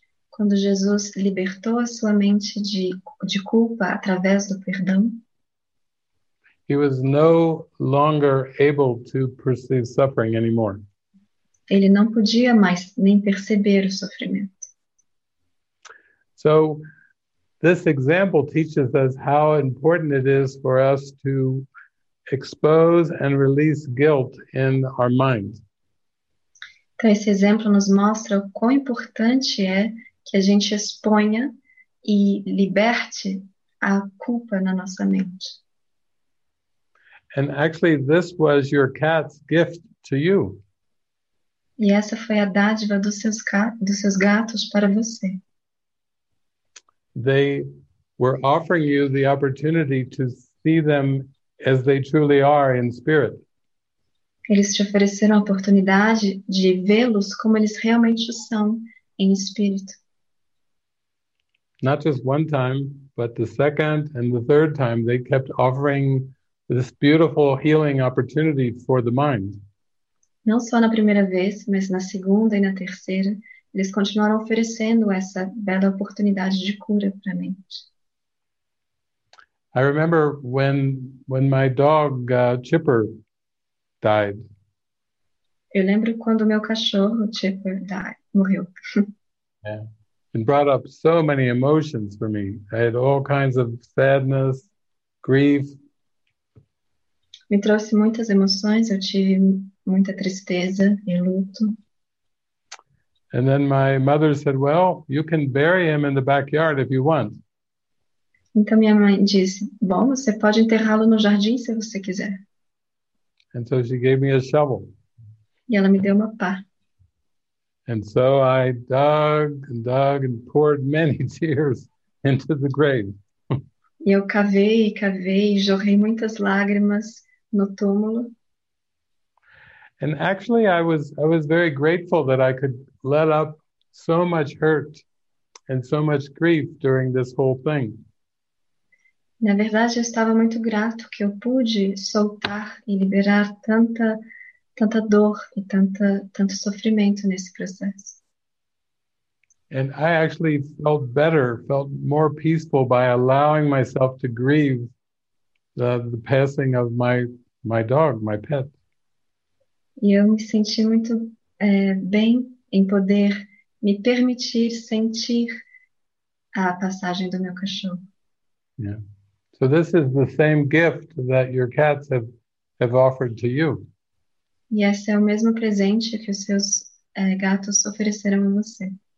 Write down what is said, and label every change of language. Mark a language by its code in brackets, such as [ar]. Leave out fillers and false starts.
[pt] Quando Jesus libertou a sua mente de culpa através do perdão. [en] He was no longer able to perceive suffering anymore. [pt] Ele não podia mais nem perceber o sofrimento. [en] So this example teaches us how important it is for us to expose and release guilt in our mind. [pt] Então, esse exemplo nos mostra o quão importante é que a gente exponha e liberte a culpa na nossa mente. [en] And actually, this was your cat's gift to you. [pt] E essa foi a dádiva dos seus gatos para você. [en] They were offering you the opportunity to see them as they truly are in spirit. [pt] Eles te ofereceram a oportunidade de vê-los como eles realmente são em espírito. [en] Not just one time, but the second and the third time, they kept offering this beautiful healing opportunity for the mind. [pt] Não só na primeira vez, mas na segunda e na terceira, eles continuaram oferecendo essa bela oportunidade de cura para a mente. [en] I remember when my dog Chipper died. [pt] Eu lembro quando meu cachorro, Chipper, morreu. [en] Yeah. It brought up so many emotions for me. I had all kinds of sadness, grief. [pt] Me trouxe muitas emoções, eu tive muita tristeza e luto. [en] And then my mother said, well, you can bury him in the backyard if you want. [pt] Então minha mãe disse, bom, você pode enterrá-lo no jardim se você quiser. [en] And so she gave me a shovel. [pt] E ela me deu uma pá. [en] And so I dug and dug and poured many tears into the grave. [pt] E eu cavei e cavei e jorrei muitas lágrimas no túmulo. [en] And actually I was very grateful that I could let up so much hurt and so much grief during this whole thing. [pt] Na verdade, eu estava muito grato que eu pude soltar e liberar tanta dor e tanto sofrimento nesse processo. [en] And I actually felt better, felt more peaceful by allowing myself to grieve the passing of my dog, my pet. [pt] E eu me senti muito bem em poder me permitir sentir a passagem do meu cachorro. [en] Yeah. So this is the same gift that your cats have offered to you. [pt] E esse é o mesmo presente que os seus gatos ofereceram a você.